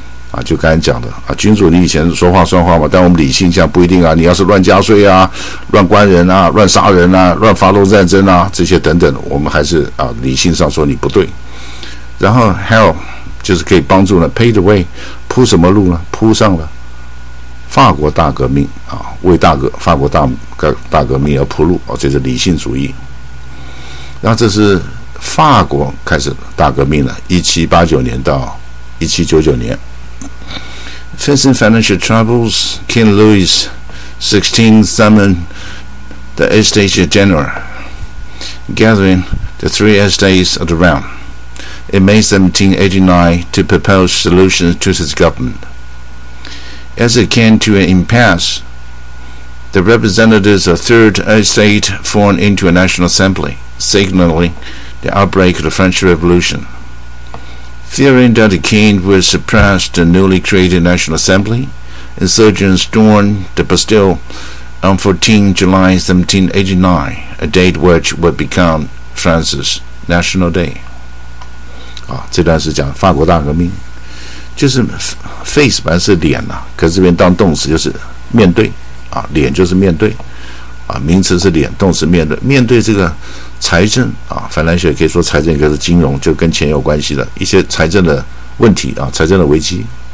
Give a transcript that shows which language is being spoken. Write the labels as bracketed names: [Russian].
[Chinese] 啊，就刚才讲的啊，君主你以前说话算话嘛，但我们理性下不一定啊，你要是乱加税啊，乱关人啊，乱杀人啊，乱发动战争啊，这些等等，我们还是啊理性上说你不对。然后 help 就是可以帮助呢 [English] pay the way， [Chinese] 铺什么路呢？铺上了法国大革命啊，为大革法国大革命而铺路啊，这是理性主义。那这是法国开始大革命了，1789年到1799年。 [English] Facing financial troubles, King Louis XVI summoned the Estates General, gathering the three estates of the realm in May 1789 to propose solutions to his government. As it came to an impasse, the representatives of the third estate formed into a national assembly, signaling the outbreak of the French Revolution. Fearing that the king would suppress the newly created National Assembly, insurgents stormed the Bastille on 14 July 1789, a date which would become France's National Day. [Chinese] 啊，这段是讲法国大革命，就是 face 本来是脸呐、啊，可是这边当动词就是面对，啊，脸就是面对，啊，名词是脸，动词面对，面对这个。财政啊，法兰学可以说财政，可是金融就跟钱有关系的一些财政的问题啊，财政的危机。